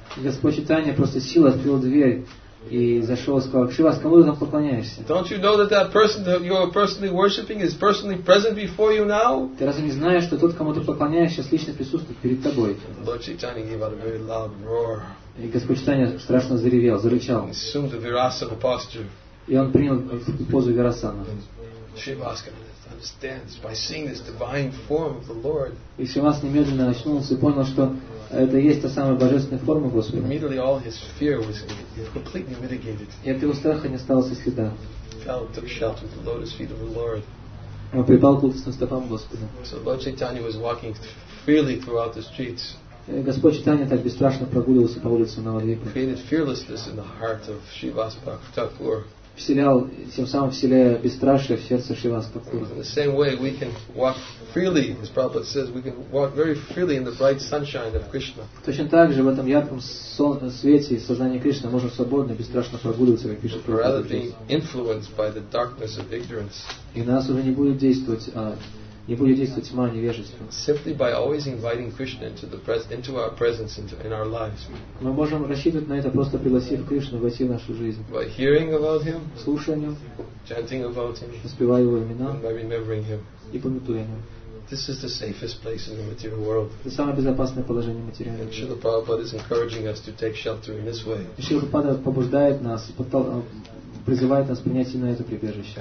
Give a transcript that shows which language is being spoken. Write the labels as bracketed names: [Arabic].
[Russian] Господь Чайтанья просто силой открыл дверь и зашел и сказал, Шивас, кому ты там поклоняешься? [English] Don't you know that person that you are personally worshipping is personally present before you now? [Russian] Ты разве не знаешь, что тот, кому ты поклоняешься, сейчас лично присутствует перед тобой? [English] Lord Chaitanya gave out a very loud roar. [Russian] И Господь Чайтанья страшно заревел, зарычал. [English] He assumed a virasana posture. [Russian] И он принял позу Вирасана. [English] Shivas understands by seeing this divine form of the Lord. [Russian] И Шивас немедленно очнулся и понял, что это есть та самая божественная форма Господа. [English] Immediately all his fear was completely mitigated. [Russian] И от его страха не осталось и следа. [English] Fell, took shelter at the lotus feet of the Lord. [Russian] Он припал к лотосным стопам Господа. [English] So Lord Chaitanya was walking freely throughout the streets. [Russian] Господь Чайтанья так бесстрашно прогуливался по улицам Навадвипа. [English] Created fearlessness in the heart of Shrivas Thakur. [Russian] Вселял, тем самым вселяя бесстрашие в сердце Шривас Такура. [English] In the same way, we can walk freely, as Prabhupada says, we can walk very freely in the bright sunshine of Krishna. [Russian] Точно так же в этом ярком свете сознания Кришны можно свободно, бесстрашно прогуливаться, как пишет Прабхупада. [English] Rather than influenced by the darkness of ignorance. [Russian] И нас уже не будет действовать, не будет действовать тьма невежества. [English] Simply by always inviting Krishna into the into our presence into in our lives. [Russian] Мы можем рассчитывать на это, просто пригласив Кришну войти в нашу жизнь. [English] By hearing about him, [Russian] слушанием, [English] chanting about him, [Russian] воспевая его имена, [English] and by remembering him, [Russian] и помятуя о нем. [English] This is the safest place in the material world. [Russian] Это самое безопасное положение материального мира. [English] Шрила Прабхупада is encouraging us to take shelter in this way. [Russian] Шрила Прабхупада побуждает нас, призывает нас принять именно это прибежище.